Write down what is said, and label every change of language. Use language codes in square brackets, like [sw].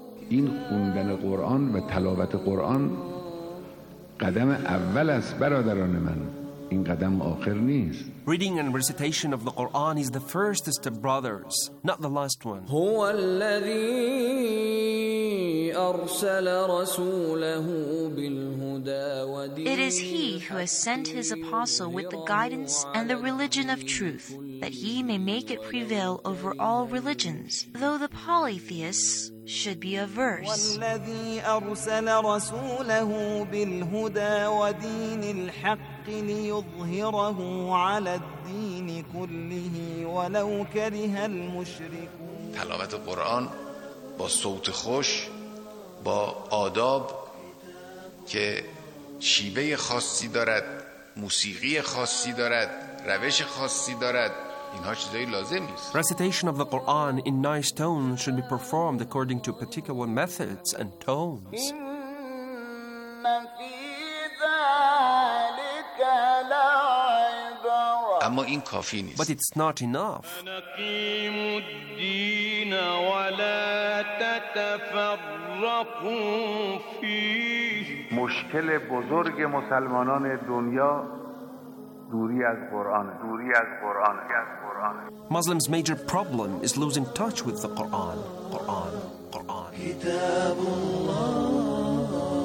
[fa] این خوندن قرآن و تلاوت قرآن قدم اول است برادران من، این قدم آخر نیست. [en] Reading and recitation of the Quran is the first step, brothers, not the last one. [ar] هو الذي ارسل رسوله بالهدى ودين. [en] It is he who has sent his apostle with the guidance and the religion of truth, that he may make it prevail over all religions, though the polytheists should be averse. [ar] والذي ارسل رسوله بالهدى ودين الحق ليظهره على الدين كله ولو كره المشركون. [fa] تلاوت قرآن با صوت خوش، با آداب که شیوه خاصی دارد، موسیقی خاصی دارد، روش خاصی دارد، اینها چیزایی لازم است. [en] Recitation of the Quran in nice tones should be performed according to particular methods and tones. [fa] اما این کافی نیست. [en] But it's not enough. [ar] ولا تتفرقوا فيه. [fa] مشکل بزرگ مسلمانان دنیا دوری از قرآن. [en] Muslims major problem is losing touch with the Quran. [ar] كتاب الله.